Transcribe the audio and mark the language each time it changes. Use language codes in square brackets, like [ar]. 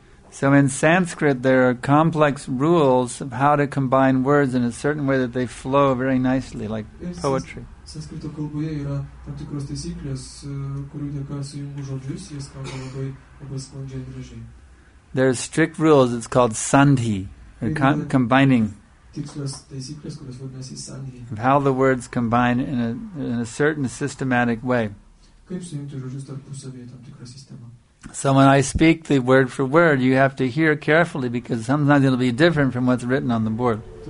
[en] So in Sanskrit there are complex rules of how to combine words in a certain way that they flow very nicely, like poetry. [lt] Sanskrito kalboje yra tam tikros taisyklės, kurių dėka sujungų žodžius, jis kalba labai sklandžiai ir gražiai. [en] There are strict rules, it's called sandhi, or combining. [lt] Tikslios taisyklės, kurios vadinasi sandhi. [en] Of how the words combine in a certain systematic way. [lt] Kaip sujungti žodžius tarpusavyje tam tikrą sistemą. [en] So when I speak the word for word, you have to hear carefully because sometimes it'll be different from what's written on the board.